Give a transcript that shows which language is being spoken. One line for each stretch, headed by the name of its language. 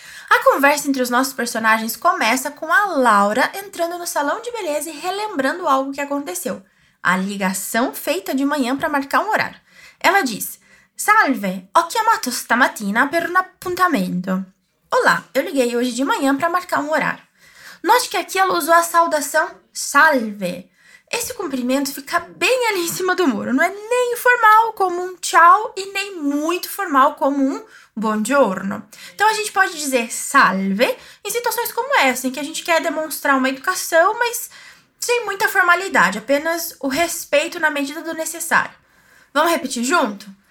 Portuguese: A conversa entre os nossos personagens começa com a Laura entrando no salão de beleza e relembrando algo que aconteceu. A ligação feita de manhã para marcar um horário. Ela diz:
Italian: Salve, ho chiamato stamattina per un appuntamento.
Portuguese: Olá, eu liguei hoje de manhã para marcar um horário. Note que aqui ela usou a saudação salve. Esse cumprimento fica bem ali em cima do muro. Não é nem formal como um tchau e nem muito formal como um buongiorno. Então a gente pode dizer salve em situações como essa, em que a gente quer demonstrar uma educação, mas sem muita formalidade, apenas o respeito na medida do necessário. Vamos repetir junto?